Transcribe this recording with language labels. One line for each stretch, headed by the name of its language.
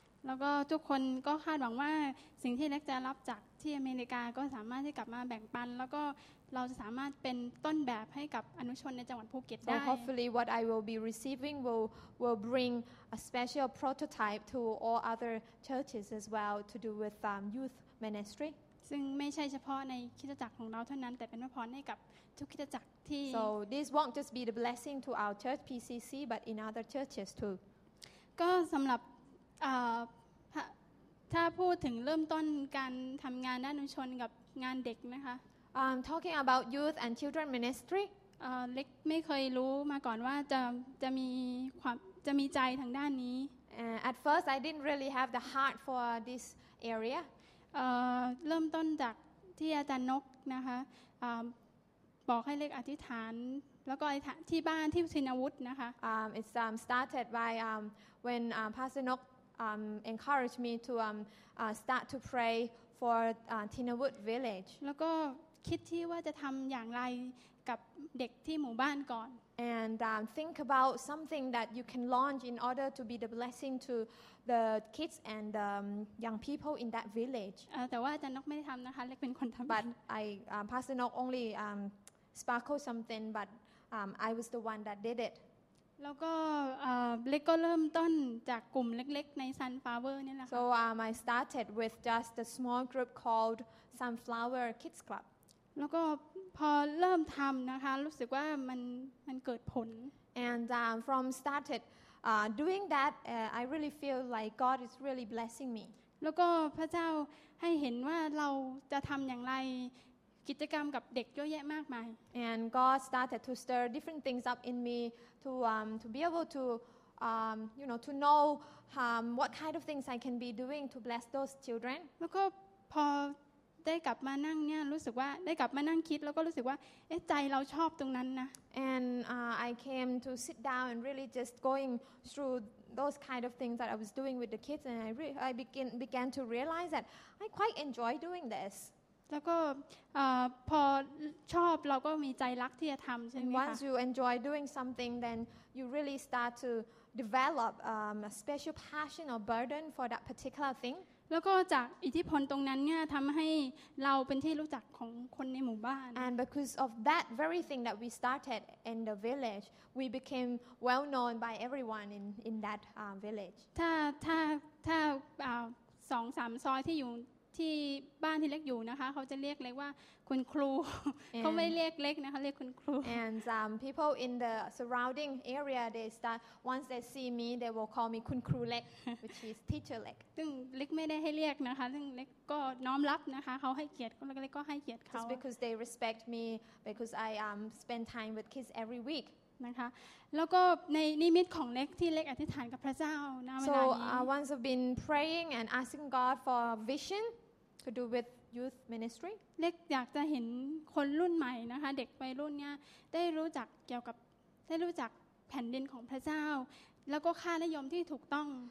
Thai: แล้วก็ทุกคนก็คาดหวังว่าสิ่งที่เล็กจะรับจากที่อเมริกาก็สามารถที่กลับมาแบ่งปันแล้วก็เราจะสามารถเป็นต้นแบบให้กับอนุชนในจังหวัดภูเก็ตได้
English: Hopefully what I will be receiving will bring a special prototype to all other churches as well to do with youth ministry
Thai: ซึ่งไม่ใช่เฉพาะในคริสตจักรของเราเท่านั้นแต่เป็นพระพรให้กับทุกคริสตจักรที่
English: So this won't just be the blessing to our church PCC but in other churches too
Thai: ก็สำหรับถ้าพูดถึงเริ่มต้นการทำงานด้านอนุชนกับงานเด็กนะคะ
English: I'm talking about youth and children ministry.
Thai: Lek ไม่เคยรู้มาก่อนว่าจะมีความจะมีใจทางด้านนี้
English: At first, I didn't really have the heart for this area.
Thai: เริ่มต้นจากที่อาจารย์นกนะคะบอกให้เล็กอธิษฐานแล้วก็ที่บ้านที่ชินวุฒินะคะ
English: It's started by when Pastor Nok encouraged me to start to pray. For Tinawood Village.
Thai: แล้วก็คิดที่ว่าจะทำอย่างไรกับเด็กที่หมู่บ้านก่อน
English: And think about something that you can launch in order to be the blessing to the kids and young people in that village.
Thai: แต่ว่าจันนกไม่ได้ทำนะคะเล็กเป็นคนทำ
English: But I Pastor Nok only sparkled something, but I was the one that did it.
Thai: แล้วก็เล็กก็เริ่มต้นจากกลุ่มเล็กๆใน Sunflower นี่แหละค่ะ
English: So I started with just a small group called Sunflower Kids Club
Thai: แล้วก็พอเริ่มทำนะคะรู้สึกว่ามันเกิดผล
English: And from started doing that I really feel like God is really blessing me
Thai: แล้วก็พระเจ้าให้เห็นว่าเราจะทำอย่างไรกิจกรรมกับเด็กเยอะแยะมากมาย
English: and God started to stir different things up in me to be able to you know to know what kind of things I can be doing to bless those children
Thai: แล้วก็พอได้กลับมานั่งเนี่ยรู้สึกว่าได้กลับมานั่งคิดแล้วก็รู้สึกว่าเอ๊ะใจเราชอบตรงนั้นนะ
English: and I came to sit down and really just going through those kind of things that I was doing with the kids and I began to realize that I quite enjoy doing this
Thai: แล้วก็พอชอบเราก็มีใจรักที่จะทำใช่ไหมคะ
English: Once you enjoy doing something, then you really start to develop a special passion or burden for that particular thing.
Thai: แล้วก็จากอิทธิพลตรงนั้นเนี่ยทำให้เราเป็นที่รู้จักของคนในหมู่บ้าน
English: And because of that very thing that we started in the village, we became well known by everyone in that village.
Thai: ถ้าสองสามซอยที่อยู่ที่บ้านที่เล็กอยู่นะคะเขาจะเรียกเล็กว่าคุณครูเขาไม่เรียกเล็กนะคะเรียกคุณครู
English: and some people in the surrounding area they start once they see me they will call me คุณครูเล็ก which is teacher เล็ก
Thai: ซึ่งเล็กไม่ได้ให้เรียกนะคะซึ่งเล็กก็น้อมรับนะคะเขาให้เกียรติเล็กก็ให้เกียรติเขา
English: just because they respect me because I spend time with kids every week
Thai: นะคะแล้วก็ในนิมิตของเล็กที่เล็กอธิษฐานกับพระเจ้าในเวลานี้
English: so once I've been praying and asking God for visionTo do with youth ministry.
Thai: เล็กอยากจะเห็นคนรุ่นใหม่นะคะเด็กวัยรุ่นเนี่ยได้รู้จักเกี่ยวกับได้รู้จักแผ่นดินของพระเจ้าแล้วก็ค่านิยมที่ถูกต้อง